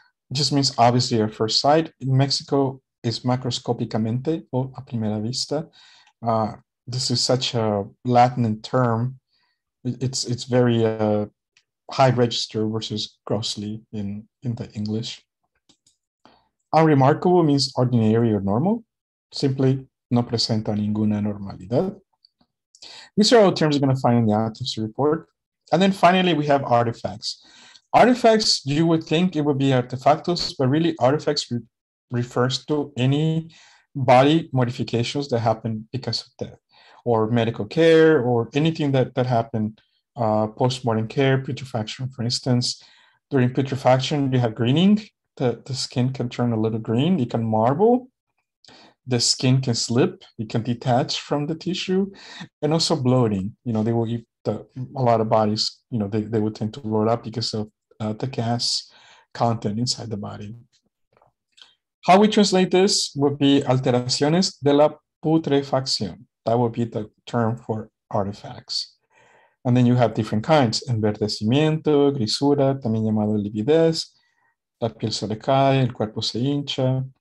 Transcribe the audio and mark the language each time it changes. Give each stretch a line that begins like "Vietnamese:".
English: It just means obviously at first sight. In Mexico, is
Spanish: macroscopicamente o a primera vista.
English: This is such a Latin term. It's very high register versus grossly in the English. Unremarkable means ordinary or normal.
Spanish: Simply, no presenta ninguna normalidad.
English: These are all terms you're going to find in the autopsy report. And then finally, we have artifacts. Artifacts, you would think it would be artefactos, but really artifacts refers to any body modifications that happen because of death, or medical care, or anything that happened, post-mortem care, putrefaction, for instance. During putrefaction, you have greening. The skin can turn a little green. It can marble. The skin can slip. It can detach from the tissue. And also bloating. You know, they will eat a lot of bodies, you know, they would tend to load up because of the gas content inside the body. How we translate this would be
Spanish: alteraciones de la putrefacción.
English: That would be the term for artifacts. And then you have different kinds,
Spanish: enverdecimiento, grisura, también llamado lividez, la piel se recae, el cuerpo se hincha.